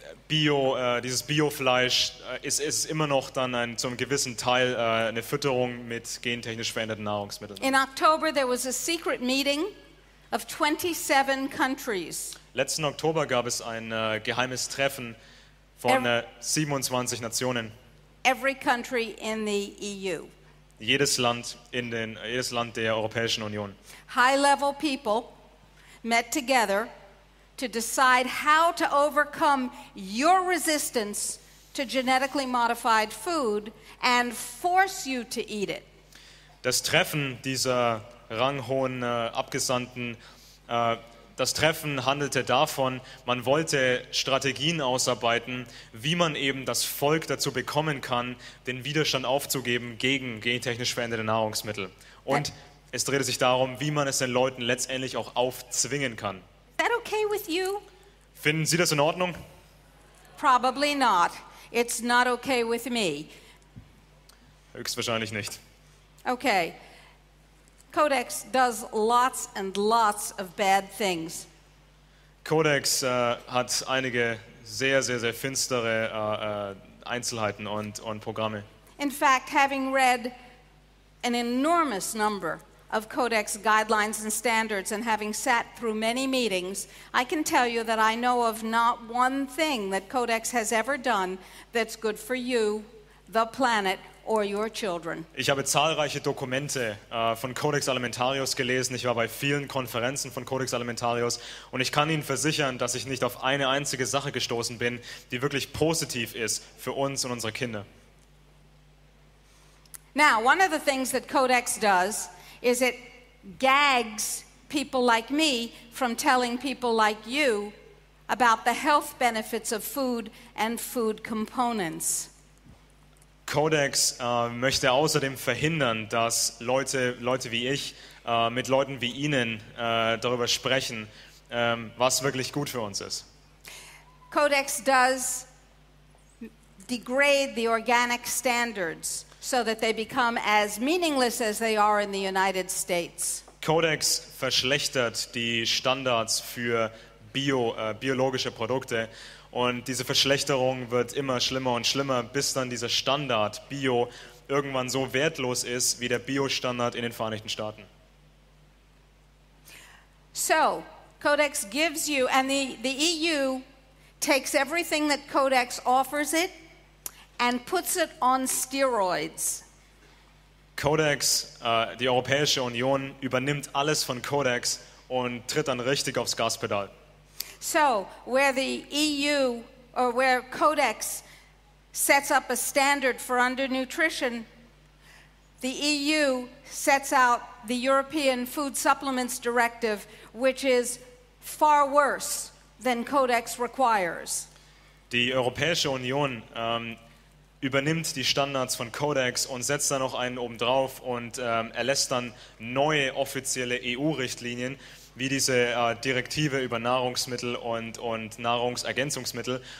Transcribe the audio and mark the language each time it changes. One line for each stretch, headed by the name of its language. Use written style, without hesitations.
German: Dieses Biofleisch ist immer noch dann zum gewissen Teil eine Fütterung mit gentechnisch veränderten Nahrungsmitteln.
English: In October there was a secret meeting of 27 countries.
German: Letzten Oktober gab es ein geheimes Treffen von 27 Nationen.
English: Every country in the EU.
German: Jedes Land der Europäischen Union.
English: High level people met together to decide how to overcome your resistance to genetically modified food and force you to eat it.
German: Das Treffen dieser ranghohen Abgesandten, das Treffen handelte davon, man wollte Strategien ausarbeiten, wie man eben das Volk dazu bekommen kann, den Widerstand aufzugeben gegen gentechnisch veränderte Nahrungsmittel. Und es drehte sich darum, wie man es den Leuten letztendlich auch aufzwingen kann.
English: Is that okay with you?
German: Finden Sie das in Ordnung?
English: Probably not. It's not okay with me.
German: Höchstwahrscheinlich nicht.
English: Okay. Codex does lots and lots of bad things.
German: Codex hat einige sehr, sehr, sehr finstere Einzelheiten und Programme.
English: In fact, having read an enormous number of Codex guidelines and standards and having sat through many meetings, I can tell you that I know of not one thing that Codex has ever done that's good for you, the planet, or your children.
German: Ich habe zahlreiche Dokumente von Codex Alimentarius gelesen. Ich war bei vielen Konferenzen von Codex Alimentarius und ich kann Ihnen versichern, dass ich nicht auf eine einzige Sache gestoßen bin, die wirklich positiv ist für uns und unsere Kinder.
English: Now, one of the things that Codex does is it gags people like me from telling people like you about the health benefits of food and food components.
German: Codex möchte außerdem verhindern, dass Leute wie ich mit Leuten wie Ihnen darüber sprechen, was wirklich gut für uns ist.
English: Codex does degrade the organic standards so that they become as meaningless as they are in the United States.
German: Codex verschlechtert die Standards für biologische Produkte. Und diese Verschlechterung wird immer schlimmer und schlimmer, bis dann dieser Standard Bio irgendwann so wertlos ist wie der Bio-Standard in den Vereinigten Staaten.
English: So, Codex gives you, and the EU takes everything that Codex offers it and puts it on steroids.
German: Codex, die Europäische Union, übernimmt alles von Codex und tritt dann richtig aufs Gaspedal.
English: So, where the EU or where Codex sets up a standard for undernutrition, the EU sets out the European Food Supplements Directive, which is far worse than Codex requires.
German: Die Europäische Union übernimmt die Standards von Codex und setzt da noch einen obendrauf und erlässt dann neue offizielle EU-Richtlinien, wie diese Direktive über Nahrungsmittel und Nahrungsergänzungsmittel.